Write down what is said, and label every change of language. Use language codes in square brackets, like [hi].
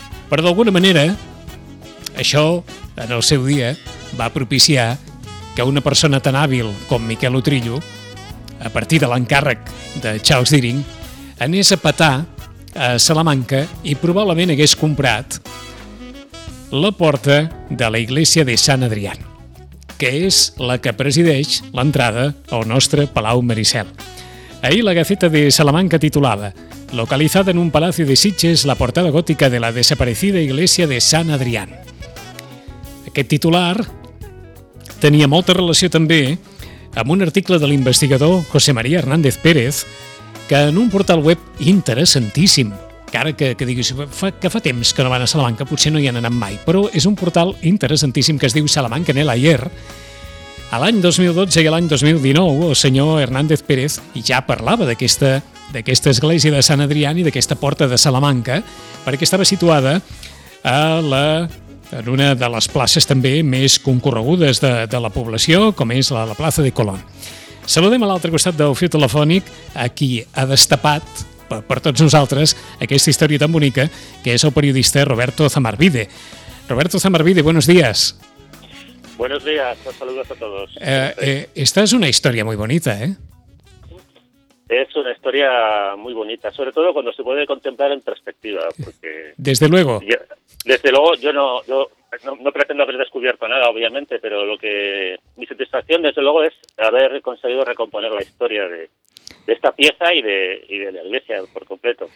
[ca] Però d'alguna manera, això en el seu dia va propiciar que una persona tan hàbil com Miquel Utrillo, a partir de l'encàrrec de Charles Deering, anés a petar a Salamanca i probablement hagués comprat la porta de la Iglesia de Sant Adrián, que és la que presideix l'entrada al nostre Palau Maricel. Ahir la Gaceta de Salamanca titulava [es] «Localizada en un palacio de Sitges, la portada gótica de la desaparecida Iglesia de Sant Adrián». [ca] Aquest titular tenia molta relació també amb un article de l'investigador José María Hernández Pérez, que en un portal web interessantíssim, que ara que diguis que fa temps que no van a Salamanca, potser no hi han anat mai, però és un portal interessantíssim que es diu Salamanca en el Ayer. A l'any 2012 i a l'any 2019 el senyor Hernández Pérez ja parlava d'aquesta església de Sant Adrián i d'aquesta porta de Salamanca, perquè estava situada en una de les places també més concorregudes de la població, com és la plaça de Colón. Saludem a l'altre costat del fil telefònic a qui ha destapat per tots nosaltres aquesta història tan bonica, que és el periodista Roberto Zamarbide. [es] Roberto Zamarbide, buenos días. Buenos días, os saludos a todos. Esta es una historia muy bonita, ¿eh? Es una historia muy bonita, sobre todo cuando se puede contemplar en perspectiva. Porque desde luego. Desde luego, yo no pretendo haber descubierto nada, obviamente, pero mi satisfacción, desde luego, es haber conseguido recomponer la historia de esta pieza y de la iglesia por completo.